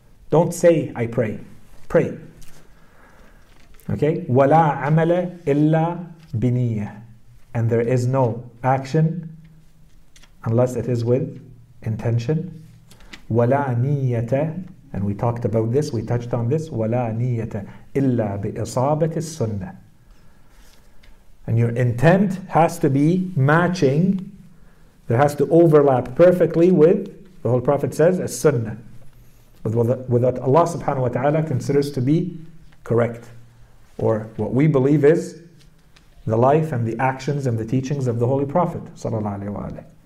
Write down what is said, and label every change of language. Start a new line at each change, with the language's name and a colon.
English: Don't say, I pray. Pray. Okay?
Arabic: ولا عمل إلا بنية.
English: And there is no action unless it is with intention.
Arabic: ولا نية.
English: And we talked about this, we touched on this.
Arabic: ولا نية إلا بإصابة السنة.
English: And your intent has to be matching, there has to overlap perfectly with, the Holy Prophet says, as sunnah, with what Allah subhanahu wa ta'ala considers to be correct, or what we believe is the life and the actions and the teachings of the Holy Prophet sallallahu alaihi wasallam.